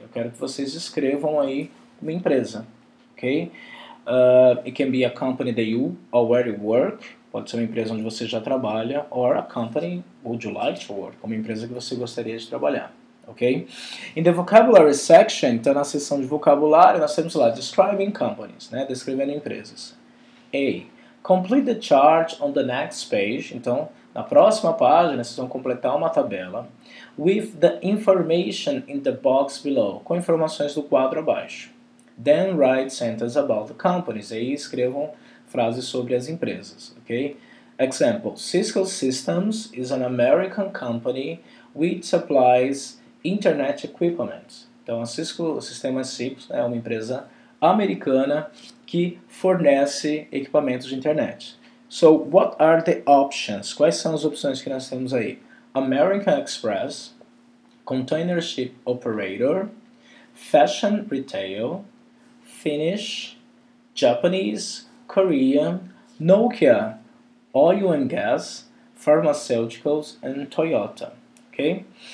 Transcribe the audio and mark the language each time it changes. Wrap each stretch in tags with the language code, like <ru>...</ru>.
<pt>Eu quero que vocês escrevam aí uma empresa, ok?</pt> <en>It can be a company that you already work.</en> <pt>Pode ser uma empresa onde você já trabalha,</pt> <en>or a company would you like to work,</en> <pt>uma empresa que você gostaria de trabalhar, ok?</pt> <en>In the vocabulary section,</en> <pt>então na seção de vocabulário, nós temos lá,</pt> <en>describing companies,</en> <pt>né? Descrevendo empresas. A,</pt> <en>complete the chart on the next page,</en> <pt>então na próxima página vocês vão completar uma tabela,</pt> <en>with the information in the box below,</en> <pt>com informações do quadro abaixo.</pt> <en>then write sentences about the companies.</en> <pt>Aí escrevam frases sobre as empresas, ok?</pt> <en>Example, Cisco Systems is an American company which supplies internet equipment.</en> <pt>Então, a Cisco Systems Sips é uma empresa americana que fornece equipamentos de internet.</pt> <en>So, what are the options?</en> <pt>Quais são as opções que nós temos aí?</pt> <en>American Express, Container Ship Operator, Fashion Retail, Finnish, Japanese, Korean, Nokia, Oil and Gas, Pharmaceuticals, and Toyota. Okay?</en>